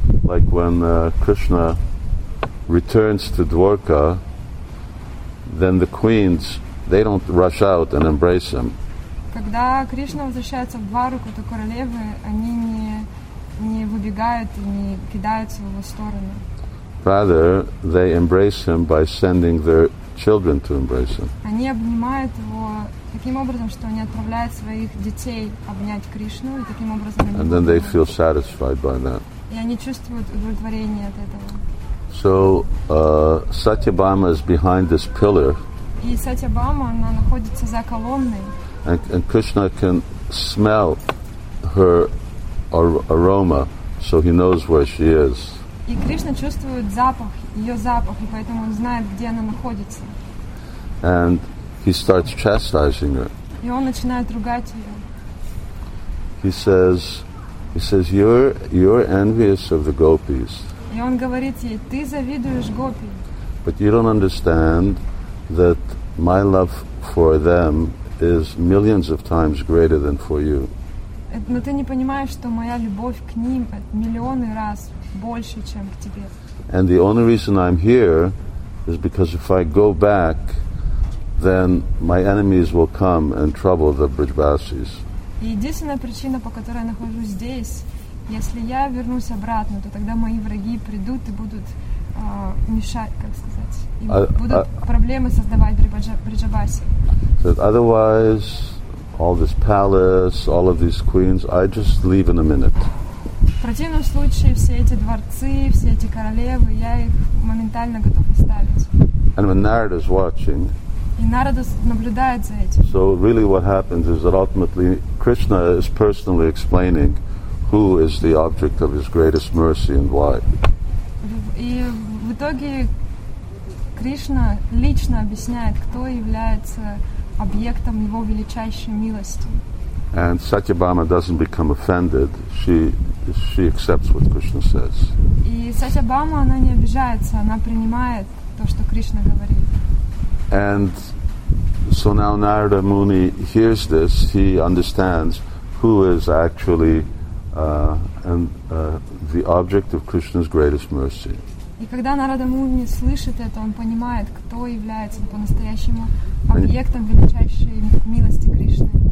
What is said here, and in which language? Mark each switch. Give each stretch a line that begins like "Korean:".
English: Like when Krishna returns to Dwarka, then the queens, they don't rush out and embrace him.
Russian: Когда Кришна возвращается в Двараку, то королевы, они не выбегают и не кидаются в его сторону.
English: Rather, they embrace him by sending their children to embrace him.
Russian: Они обнимают его таким образом, что они отправляют своих детей обнять Кришну, и таким образом они.
English: And then they feel satisfied by that.
Russian: И они чувствуют удовлетворение от этого.
English: So Satyabhama is behind this pillar.
Russian: И Satyabhama, она находится за колонной.
English: And Krishna can smell her aroma, so he knows where she is.
Russian: И Кришна чувствует запах, ее запах, и поэтому он знает, где она находится.
English: And he starts chastising her.
Russian: И он начинает ругать ее.
English: He says, you're envious of the gopis.
Russian: И он говорит ей, ты завидуешь гопи.
English: But you don't understand that my love for them is millions of times greater than for you.
Russian: Но ты не понимаешь, что моя любовь к ним миллионы раз больше, чем к тебе.
English: And the only reason I'm here is because if I go back, then my enemies will come and trouble the Brijbasis.
Russian: И единственная причина, по которой я нахожусь здесь, если я вернусь обратно, то тогда мои враги придут и будут мешать, как сказать, и будут проблемы создавать Бриджабаси.
English: So otherwise, all this palace, all of these queens, I just leave in a minute.
Russian: В противном случае, все эти дворцы, все эти королевы, я их моментально готов оставить.
English: And when Narada is watching.
Russian: И Нарада наблюдает за этим.
English: So really, what happens is that ultimately Krishna is personally explaining who is the object of his greatest mercy and why.
Russian: И в итоге Кришна лично объясняет, кто является объектом его величайшей милости.
English: And Satyabhama doesn't become offended. She accepts what Krishna says.
Russian: И Satyabhama, она не обижается, она принимает то, что Кришна говорит.
English: And so now Narada Muni hears this, he understands who is actually the object of Krishna's greatest mercy.
Russian: И когда Нарада Муни слышит это, он понимает, кто является по-настоящему объектом величайшей милости Кришны.